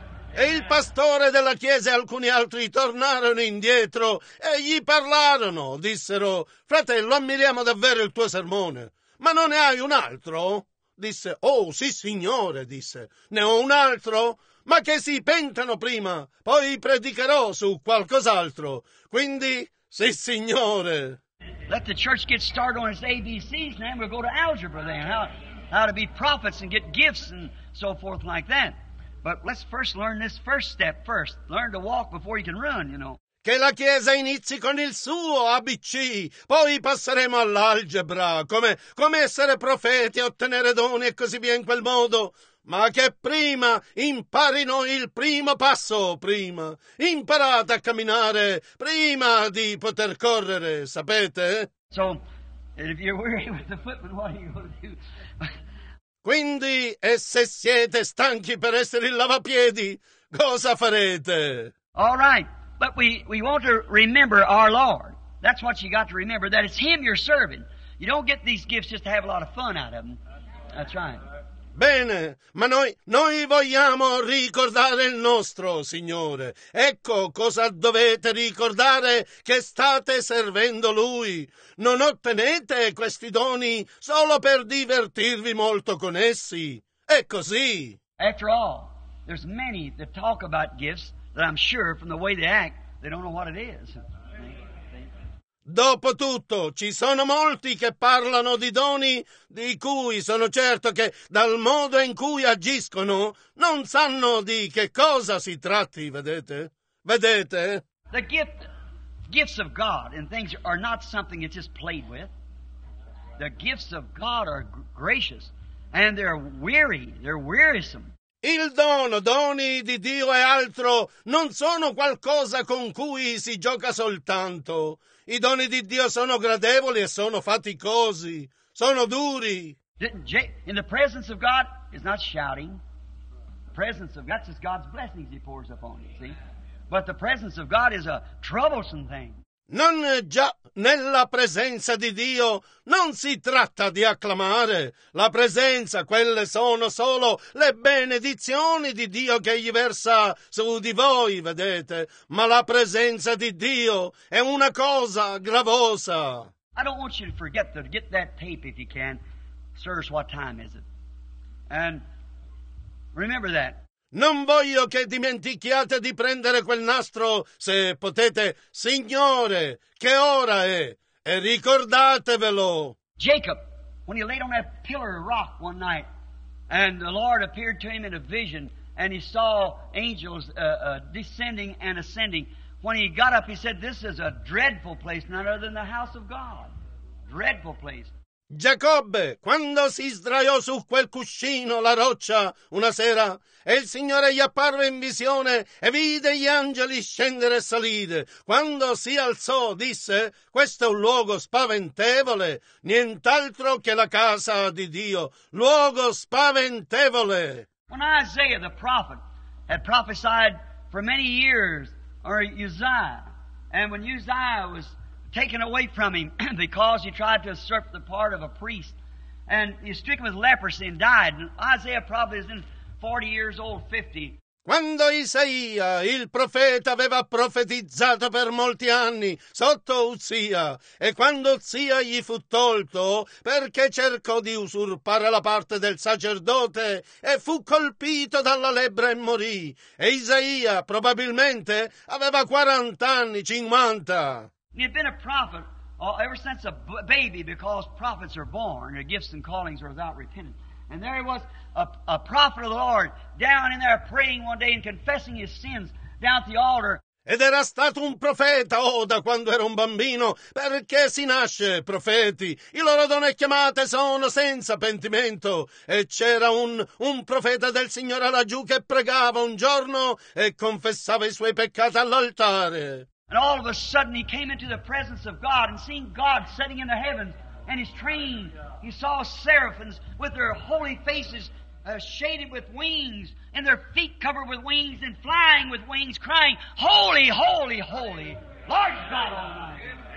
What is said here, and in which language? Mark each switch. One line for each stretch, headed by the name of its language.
Italian: e il pastore della chiesa e alcuni altri tornarono indietro e gli parlarono. Dissero, fratello, ammiriamo davvero il tuo sermone, ma non ne hai un altro? Disse, oh sì, signore, disse, ne ho un altro? Ma che si pentano prima, poi predicherò su qualcos'altro. Quindi, sì, signore.
English: Let the church get started on its ABCs, and then we'll go to algebra then, how to be prophets and get gifts and so forth like that. But let's first learn this first step first. Learn to walk before you can run, you know.
Italian: Che la Chiesa inizi con il suo ABC, poi passeremo all'algebra, come essere profeti, ottenere doni e così via in quel modo. Ma che prima imparino il primo passo, prima. Imparate a camminare prima di poter correre, sapete?
English: So, if you're weary with the footman, what are you going to do?
Italian: Quindi, e se siete stanchi per essere il lavapiedi, cosa farete?
English: All right, but we want to remember our Lord. That's what you got to remember, that it's Him you're serving. You don't get these gifts just to have a lot of fun out of them. That's right.
Italian: Bene, ma noi vogliamo ricordare il nostro Signore. Ecco cosa dovete ricordare, che state servendo Lui. Non ottenete questi doni solo per divertirvi molto con essi. È così.
English: After all, there's many that talk about gifts that I'm sure from the way they act, they don't know what it is.
Italian: Dopotutto, ci sono molti che parlano di doni di cui sono certo che dal modo in cui agiscono non sanno di che cosa si tratti, vedete? Vedete?
English: The gifts of God and things are not something it's just played with. The gifts of God are gracious and they're wearisome.
Italian: Il dono, doni di Dio e altro, non sono qualcosa con cui si gioca soltanto. I doni di Dio sono gradevoli e sono faticosi, sono duri.
English: In the presence of God, it's not shouting. The presence of God, that's God's blessings He pours upon you, see? But the presence of God is a troublesome thing.
Italian: Non già nella presenza di Dio non si tratta di acclamare. La presenza, quelle sono solo le benedizioni di Dio che gli versa su di voi, vedete. Ma la presenza di Dio è una cosa gravosa.
English: I don't want you to forget to get that tape if you can. Sirs, what time is it? And remember that.
Italian: Non voglio che dimentichiate di prendere quel nastro, se potete. Signore, che ora è? E ricordatevelo.
English: Jacob, when he laid on that pillar of rock one night, and the Lord appeared to him in a vision, and he saw angels descending and ascending. When he got up, he said, this is a dreadful place, none other than the house of God. Dreadful place.
Italian: Giacobbe, quando si sdraiò su quel cuscino, la roccia, una sera, e il Signore gli apparve in visione e vide gli angeli scendere e salire. Quando si alzò, disse, questo è un luogo spaventevole, nient'altro che la casa di Dio. Luogo spaventevole!
English: When Isaiah the prophet had prophesied for many years, or Uzziah, and when Uzziah was taken away from him because he tried to usurp the part of a priest, and he was stricken with leprosy and died. And Isaiah probably is in 40 years old, 50.
Italian: Quando Isaia, il profeta, aveva profetizzato per molti anni sotto Uzzia, e quando Uzzia gli fu tolto perché cercò di usurpare la parte del sacerdote e fu colpito dalla lebbra e morì, e Isaia probabilmente aveva 40 anni, 50.
English: He had been a prophet ever since a baby, because prophets are born, their gifts and callings are without repentance. And there he was, a prophet of the Lord, down in there praying one day and confessing his sins down at the altar.
Italian: Ed era stato un profeta, da quando era un bambino, perché si nasce profeti. I loro donne chiamate sono senza pentimento. E c'era un profeta del Signore laggiù che pregava un giorno e confessava i suoi peccati all'altare.
English: And all of a sudden he came into the presence of God, and seeing God sitting in the heavens and his train, he saw seraphims with their holy faces shaded with wings and their feet covered with wings and flying with wings, crying, "Holy, holy, holy, Lord God Almighty."